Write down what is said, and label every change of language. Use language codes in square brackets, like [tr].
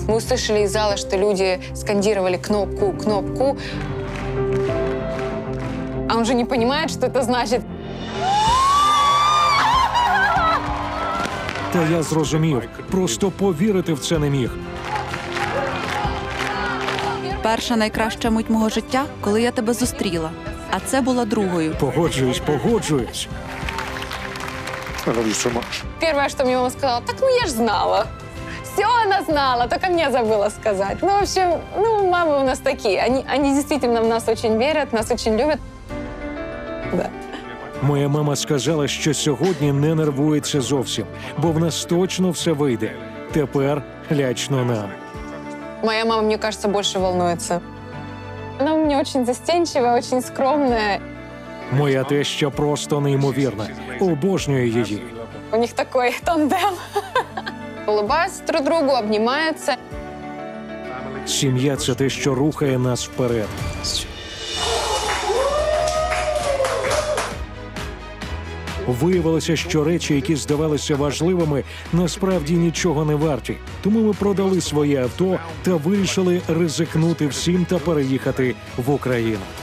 [ru] Мы услышали из зала, что люди скандировали кнопку, кнопку. А он же не понимает, что это значит. [uk] Та я зрозумів. Просто повірити в це не міг. Перша найкраща мить мого життя, коли я тебе зустріла. А це була другою. Погоджуюсь, погоджуюсь. [ru] Первое, что мне мама сказала, так, ну я ж знала. Все она знала, только мне забыла сказать. Ну, в общем, ну, мамы у нас такие. Они действительно в нас очень верят, нас очень любят. Да. Моя мама сказала, что [uk] сьогодні не нервується зовсім, бо в нас точно все вийде. Тепер лячно нам. [ru] Моя мама, мне кажется, больше волнуется. Она у меня очень застенчивая, очень скромная. [uk] Моя теща просто неймовірна. Обожнюю її. [ru] У них такой тандем. Улыбаются друг другу, обнимаются. [uk] Сім'я – це те, що рухає нас вперед. Виявилося, що речі, які здавалися важливими, насправді нічого не варті. Тому ми продали своє авто та вирішили ризикнути всім та переїхати в Україну.